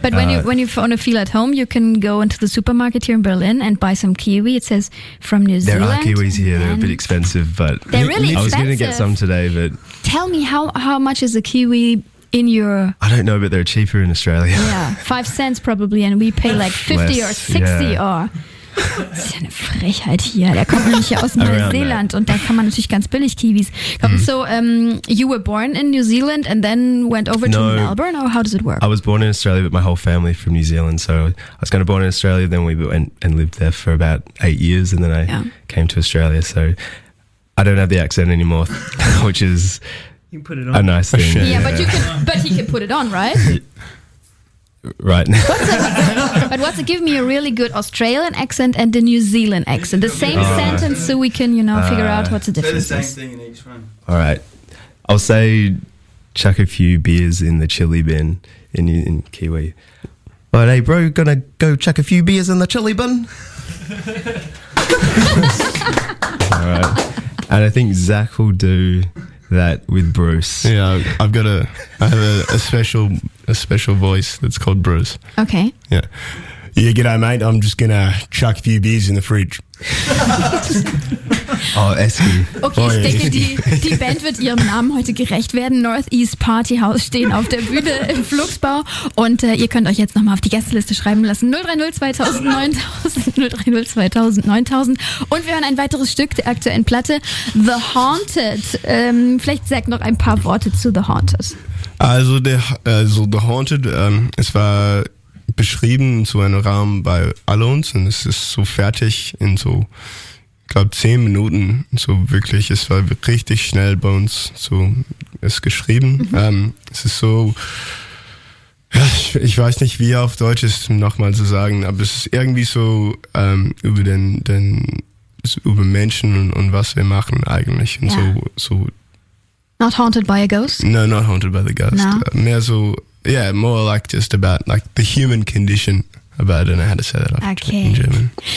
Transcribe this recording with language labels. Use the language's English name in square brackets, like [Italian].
[English] But when you want to feel at home, you can go into the supermarket here in Berlin and buy some Kiwi. It says from New Zealand. There are Kiwis here. They're a bit expensive, but... They're really expensive. I was going to get some today, but... Tell me, how much is a Kiwi... In your, I don't know, but they're cheaper in Australia. Yeah, 5 cents probably, and we pay like 50 or 60 or. [German] Das ist ja eine Frechheit hier. Der kommt nämlich hier aus Neuseeland und da kann man natürlich ganz billig Kiwis kaufen. [English] So, you were born in New Zealand and then went over to Melbourne, or how does it work? I was born in Australia, but my whole family from New Zealand. So I was kind of born in Australia, then we went and lived there for about 8 years, and then I came to Australia. So I don't have the accent anymore, which is. You can put it on. A nice thing. Yeah, but he can put it on, right? Right. But what's it? Give me a really good Australian accent and a New Zealand accent. The same sentence, so we can, you know, figure out what's the difference. Say the same thing in each one. All right. I'll say, chuck a few beers in the chili bin in Kiwi. But hey, bro, gonna go chuck a few beers in the chili bin? All right. And I think Zach will do... That with Bruce. Yeah, I've got a special voice that's called Bruce. Okay. Yeah. Yeah, g'day mate, I'm just gonna chuck a few beers in the fridge. Oh, Eski. Okay, oh, [German] ich denke, die Band wird ihrem Namen heute gerecht werden. North East Party House stehen auf der Bühne im Fluxbau. Und ihr könnt euch jetzt nochmal auf die Gästeliste schreiben lassen. 030 2000 9000. Und wir hören ein weiteres Stück der aktuellen Platte, The Haunted. Vielleicht sagt noch ein paar Worte zu The Haunted. Also The Haunted, es war beschrieben in so einem Raum bei all uns. Und es ist so fertig in so... Ich glaube 10 Minuten, so wirklich, es war richtig schnell bei uns, so ist geschrieben. Es ist so, ich weiß nicht, wie auf Deutsch ist, nochmal zu sagen, aber es ist irgendwie so über Menschen und was wir machen eigentlich. Und so. [English] Not haunted by a ghost? No, not haunted by the ghost. No. [German] Mehr so, [English] yeah, more like just about like the human condition. But I don't know how to say that in German.